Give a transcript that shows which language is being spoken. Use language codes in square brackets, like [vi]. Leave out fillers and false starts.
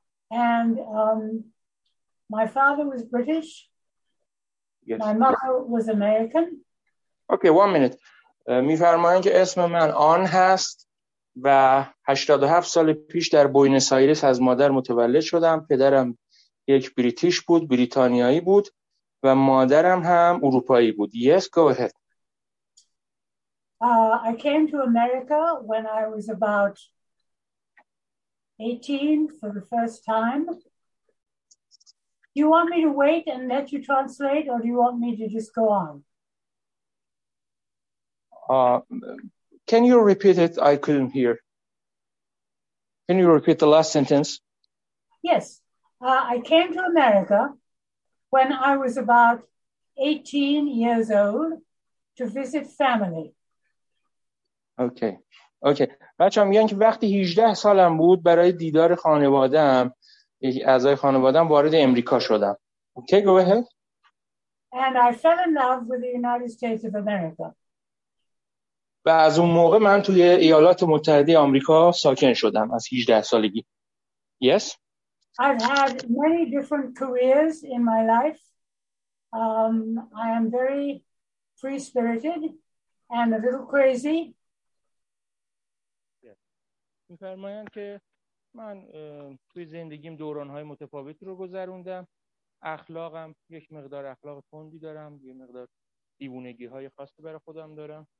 [en] And my father was British. Yes. My mother was American. Okay, one minute. [fa] میفرمایند که اسم من آن هست و 87 سال پیش در بوینس آیرس از مادر متولد شدم. پدرم یک بریتیش بود، بریتانیایی بود و مادرم هم اروپایی بود. [en] Yes, go ahead. I came to America when I was about 18 for the first time. Do you want me to wait and let you translate or do you want me to just go on? Can you repeat it? I couldn't hear. Can you repeat the last sentence? Yes. I came to America when I was about 18 years old to visit family. Okay. Okay. [fa] بچه هم میگن که وقتی 18 سالم بود برای دیدار خانواده هم اعضای خانواده هم وارد امریکا شدم. [en] Okay, go ahead. And I fell in love with the United States of America. [fa] و از اون موقع من توی ایالات متحده آمریکا ساکن شدم از 18 سالگی. [en] Yes? I've had many different careers in my life. I am very free-spirited and a little crazy. [fa] می‌فرمایند که من توی زندگیم دوران‌های متفاوتی رو گذروندم. اخلاقم یک مقدار اخلاق تندی دارم، یک مقدار دیوونگی‌های خاصی برای خودم دارم.